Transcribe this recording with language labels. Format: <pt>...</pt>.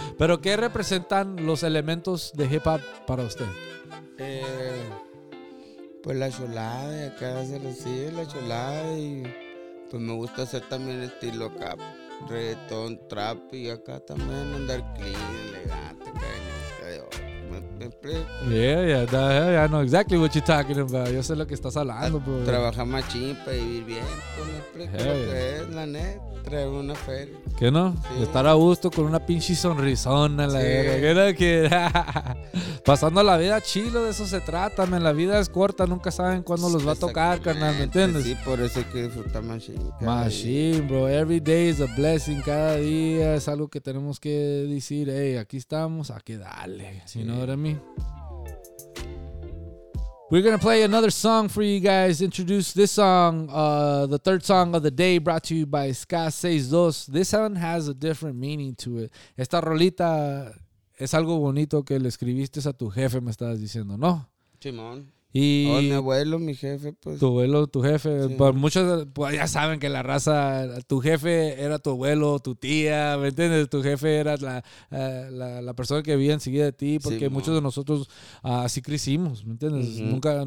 <es>Pero ¿qué representan los elementos de hip hop para usted? Pues la cholada de acá se recibe, la cholada, y pues me gusta hacer también estilo acá, reggaetón, trap, y acá también andar clean, elegante, cariño, me</es> <en>Yeah, yeah, the hell, yeah, I know exactly what you're talking about.</en> <es>Yo sé lo que estás hablando, bro. Trabajar más ching para vivir bien, pues, la neta, traer una feria. ¿Qué no? Sí. Estar a gusto con una pinche sonrisona, la verdad. Sí. ¿Qué no quiere? Pasando la vida chilo, de eso se trata, man. La vida es corta, nunca saben cuándo los va a tocar, carnal, ¿me entiendes? Sí, por eso hay que disfrutar más ching.</es> <en>Machín, bro. Every day is a blessing.</en> <es>Cada día es algo que tenemos que decir, hey, aquí estamos, aquí dale. Si sí. No, ahora mí.</es> <en>We're going to play another song for you guys. Introduce this song, the third song of the day, brought to you by Ska 6-2. This one has a different meaning to it.</en> <es>Esta rolita es algo bonito que le escribiste a tu jefe, me estabas diciendo, ¿no? Simón. Y mi abuelo, mi jefe, pues. Tu abuelo, tu jefe. Sí. Muchos pues, ya saben que la raza, tu jefe era tu abuelo, tu tía, ¿me entiendes? Tu jefe era la persona que vivía enseguida de ti, porque sí, muchos de nosotros así crecimos, ¿me entiendes? Uh-huh.</es>